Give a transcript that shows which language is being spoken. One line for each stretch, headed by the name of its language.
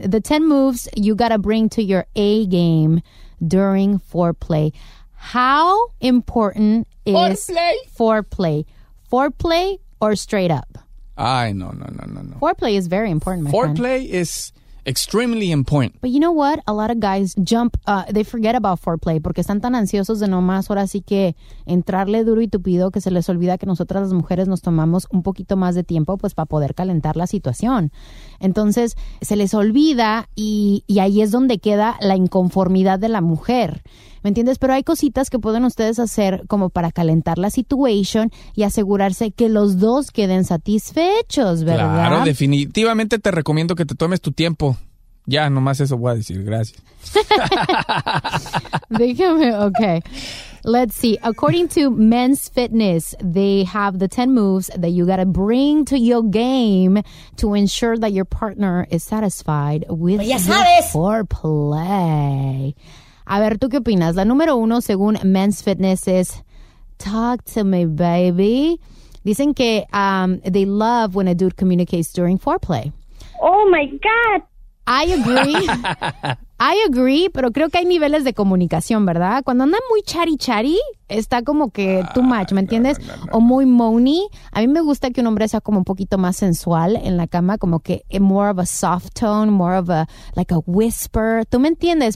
English: The 10 moves you gotta bring to your A game during foreplay. How important is foreplay? Foreplay or straight up? Ay, no. Foreplay is very important, my friend. Foreplay is extremely important. But you know what? A lot of guys jump, they forget about foreplay
Spanish: porque están tan ansiosos de nomás ahora sí que entrarle duro y tupido que se les olvida que nosotras las mujeres nos tomamos un poquito más de tiempo pues para poder calentar la situación. Entonces, se les olvida y ahí es donde queda la inconformidad de la mujer. ¿Me entiendes? Pero hay cositas que pueden ustedes hacer como para calentar la situation y asegurarse que los dos queden satisfechos, ¿verdad? Claro, definitivamente te recomiendo que te tomes tu tiempo. Ya, nomás eso voy a decir. Gracias. Déjame,
English: okay. Let's see. According to Men's Fitness, they have the 10 moves that you gotta bring to your game to ensure that your partner is satisfied with your foreplay.
Spanish: A ver, ¿tú qué opinas? La número uno, según Men's Fitness, es
English: talk to me, baby.
Spanish: Dicen que
English: they love when a dude communicates during foreplay. Oh, my God. I agree. I agree,
Spanish: pero creo que hay niveles de comunicación, ¿verdad? Cuando anda muy chari-chari, está como que
English: too much,
Spanish: ¿me entiendes? No. O muy moany. A mí me gusta que un hombre sea como un poquito más sensual en la cama, como que
English: more of a soft tone, more of a, like a whisper.
Spanish: ¿Tú me entiendes?